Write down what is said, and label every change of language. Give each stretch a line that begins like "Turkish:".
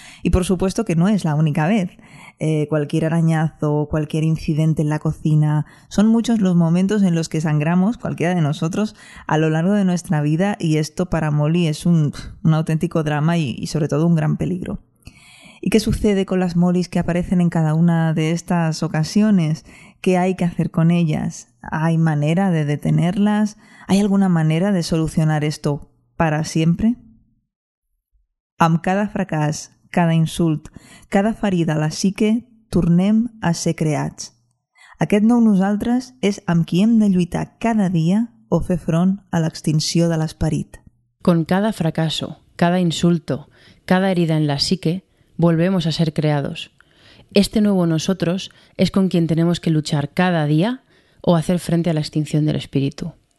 Spanish: Y por supuesto que no es la única vez. Cualquier arañazo, cualquier incidente en la cocina, son muchos los momentos en los que sangramos, cualquiera de nosotros, a lo largo de nuestra vida, y esto para Molly es un auténtico drama y sobre todo un gran peligro. ¿Y qué sucede con las Mollys que aparecen en cada una de estas ocasiones? ¿Qué hay que hacer con ellas? ¿Hay manera de detenerlas? ¿Hay alguna manera de solucionar esto para siempre?
Catalan: Amb cada fracàs, cada insult, cada ferida a la psique, tornem a ser creats. Aquest nou nosaltres és amb qui hem de lluitar cada dia o fer front a l'extinció de l'esperit.
Spanish: Con cada fracaso, cada insulto, cada herida en la psique, volvemos a ser creados. Este nuevo nosotros es con quien tenemos que luchar cada día o hacer frente a la extinción del espíritu.